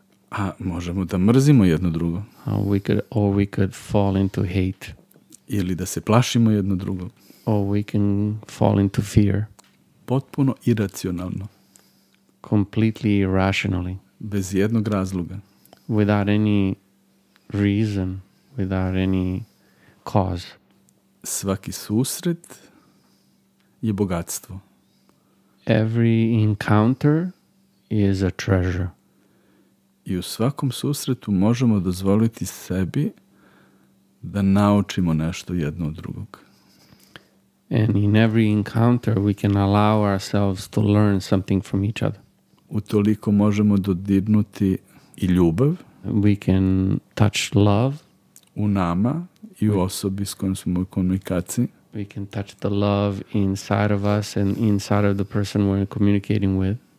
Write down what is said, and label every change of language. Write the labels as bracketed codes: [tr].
[sr] A možemo da mrzimo jedno drugo. [en] Or we could fall into hate. [sr] Ili da se plašimo jedno drugo. [en] Or we can fall into fear. [sr] Potpuno iracionalno. [en] Completely irrationally. [sr] Bez jednog razloga. [en] Without any reason. Without any cause. [sr] Svaki susret je bogatstvo. [en] Every encounter is a treasure. [sr] I u svakom susretu možemo dozvoliti sebi da naučimo nešto jedno od drugog. [en] And in every encounter we can allow ourselves to learn something from each other. [sr] Utoliko možemo dodirnuti i ljubav. [en] We can touch love. [sr] U nama i u osobi s kojom smo u komunikaciji. [en] We can touch the love inside of us and inside of the person we're communicating with.